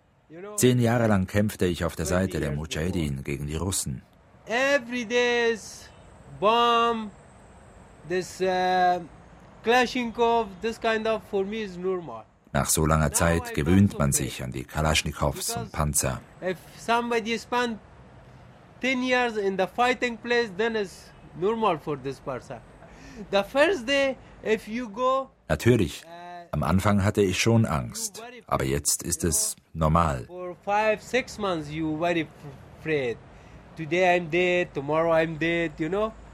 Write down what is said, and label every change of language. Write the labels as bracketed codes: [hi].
[de] 10 Jahre lang kämpfte ich auf der Seite der Mujahedin gegen die Russen. [en] Every day is bomb, this Kalashnikov, this kind of for me is normal. [de] Nach so langer Zeit gewöhnt man sich an die Kalaschnikows und Panzer. [en] If somebody spent 10 years in the fighting place, then it's normal for this person. The first day, if you go. [de] Natürlich, am Anfang hatte ich schon Angst, aber jetzt ist es normal. [en] For 5-6 months you very afraid. Today I'm dead, tomorrow I'm dead, you know?